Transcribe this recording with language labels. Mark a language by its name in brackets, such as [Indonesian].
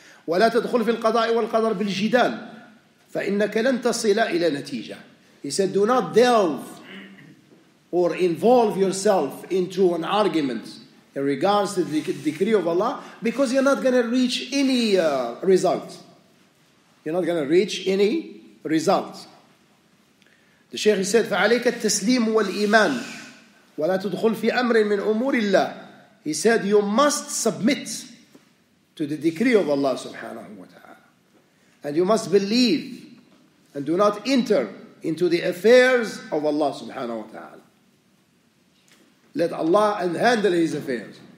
[Arabic] وَلَا تَدْخُلْ فِي الْقَضَاءِ وَالْقَدَرِ بِالْجِدَالِ فَإِنَّكَ لَنْ تَصِلَ إِلَى نَتِيجَةٍ. [English] He said, do not delve or involve yourself into an argument in regards to the decree of Allah, because you're not going to reach any result. You're not going to reach any result. The Shaykh said, [Arabic] فَعَلَيْكَ التَّسْلِيمُ وَالْإِيمَانِ وَلَا تَدْخُلْ فِي أَمْرٍ مِنْ أُمُورِ اللَّهِ. [English] He said, you must submit to the decree of Allah subhanahu wa ta'ala. And you must believe and do not enter into the affairs of Allah subhanahu wa ta'ala. Let Allah handle his affairs.